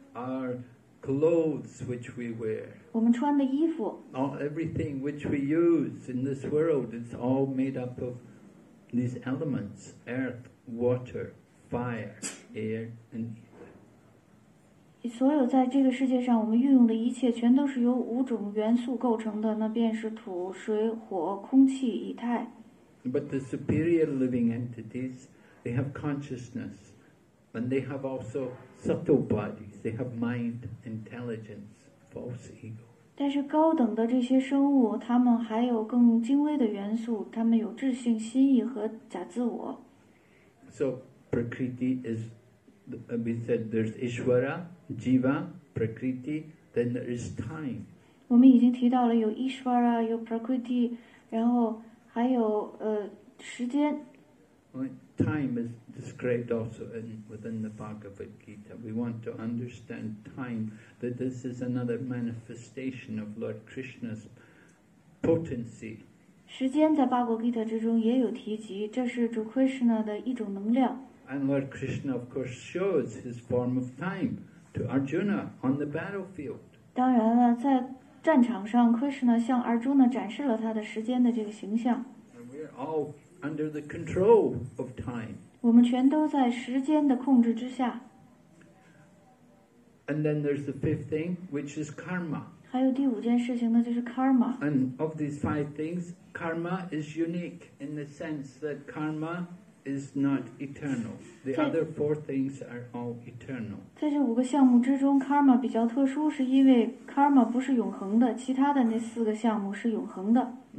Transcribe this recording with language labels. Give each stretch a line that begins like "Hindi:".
English: our clothes which we wear.
Chinese: 我们穿的衣服。
English: All everything which we use in this world is all made up of these elements: earth, water, fire, air, and ether.
Chinese: 所有在这个世界上我们运用的一切，全都是由五种元素构成的，那便是土、水、火、空气、以太。
English: But the superior living entities, they have consciousness, and they have also subtle bodies. They have mind, intelligence, false ego.
Chinese: 但是高等的这些生物，他们还有更精微的元素，他们有智性、心意和假自我。
English: So Prakriti is, we said there's Ishvara, Jiva, Prakriti, then there is time.
Chinese: 我们已经提到了有 Ishvara, 有 Prakriti, 然后还有时间。
English: Time is described also within the Bhagavad Gita. We want to understand time, that this is another manifestation of Lord Krishna's potency.
Chinese: 时间在 Bhagavad Gita 之中也有提及，这是主 Krishna 的一种能量。
English: And Lord Krishna, of course, shows his form of time to Arjuna on the battlefield.
Chinese: 当然了，在战场上 ，Krishna 向 Arjuna 展示了他的时间的这个形象。
English: And we are all under the control of time.
Chinese: 我们全都在时间的控制之下。
English: And then there's the fifth thing, which is karma.
Chinese: 还有第五件事情呢，就是 karma.
English: And of these five things, karma is unique in the sense that karma is not eternal. The other four things are all eternal.
Chinese: 在这五个项目之中 ，karma 比较特殊，是因为 karma 不是永恒的，其他的那四个项目是永恒的。